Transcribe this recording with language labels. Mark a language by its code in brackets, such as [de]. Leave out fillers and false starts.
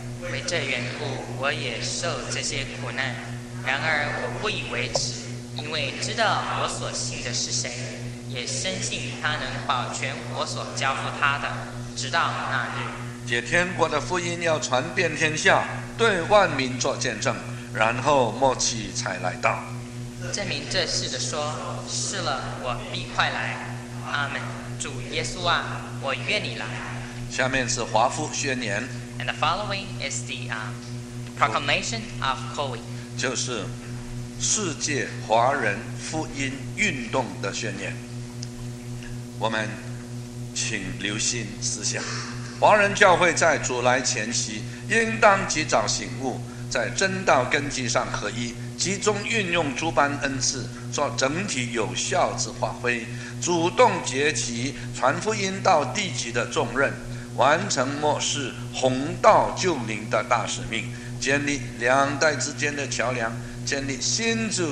[zh] 为这缘故，我也受这些苦难，然而我不以为耻，因为知道我所信的是谁，也深信他能保全我所交付他的，直到那日。这天国的福音要传遍天下，对万民做见证，然后末期才来到。证明这事的说，是了，我必快来。阿们，主耶稣啊，我愿你来。下面是华夫宣言。 [en] And the following is the proclamation of Hoi. [zh] 就是世界华人福音运动的宣言。我们请留心思想，华人教会在主来前夕，应当及早醒悟，在真道根基上合一，集中运用诸般恩赐，做整体有效之发挥，主动结起传福音到地极的重任，完成末世弘道救灵的大使命，建立两代之间的桥梁，建立新